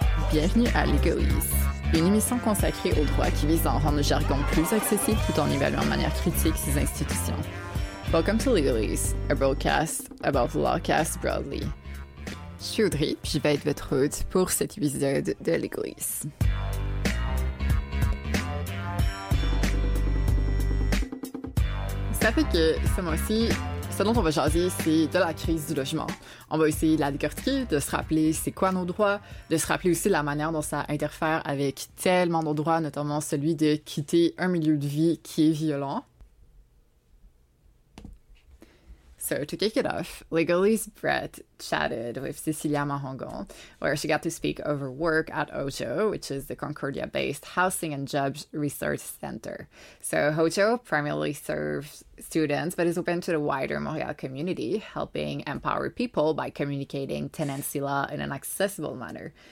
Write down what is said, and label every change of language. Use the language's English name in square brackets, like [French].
[French] Bienvenue à Legalese, une émission consacrée au droit qui vise à en rendre le jargon plus accessible tout en évaluant de manière critique ces institutions. [English] Welcome to Legalese, a broadcast about lawcast broadly. [French] Je suis Audrey, puis je vais être votre hôte pour cet épisode de Legalese. Ça fait que ce mois-ci, ce dont on va jaser, c'est de la crise du logement. On va essayer de la décortiquer, de se rappeler c'est quoi nos droits, de se rappeler aussi la manière dont ça interfère avec tellement de droits, notamment celui de quitter un milieu de vie qui est violent. [English] So, to kick it off, Legalese Brett chatted with Cecilia Mahongon, where she got to speak over work at Hojo, which is the Concordia-based Housing and Jobs Research Center. So, Hojo primarily serves students, but is open to the wider Montreal community, helping empower people by communicating tenancy law in an accessible manner.